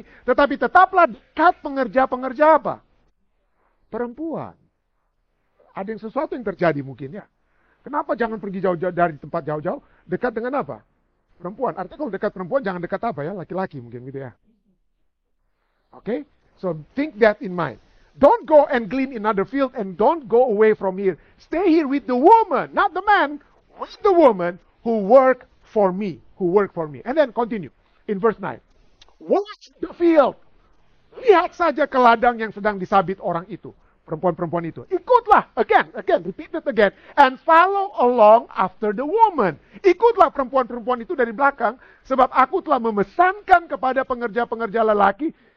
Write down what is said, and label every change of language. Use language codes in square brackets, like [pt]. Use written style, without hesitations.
[id] Tetapi tetaplah dekat pengerja-pengerja apa? Perempuan. Ada yang sesuatu yang terjadi mungkin ya. Kenapa jangan pergi jauh-jauh dari tempat jauh-jauh? Dekat dengan apa? Perempuan. Artinya kalau dekat perempuan jangan dekat apa ya? Laki-laki mungkin gitu ya. [en] Okay? So think that in mind. Don't go and glean in another field and don't go away from here. Stay here with the woman, not the man. With the woman who work for me. Who work for me. And then continue. In verse 9. Watch the field. [id] Lihat saja ke ladang yang sedang disabit orang itu. Perempuan-perempuan itu. Ikutlah. [en] Again. Repeat it again. And follow along after the woman. [id] Ikutlah perempuan-perempuan itu dari belakang. Sebab aku telah memesankan kepada pengerja-pengerja lelaki.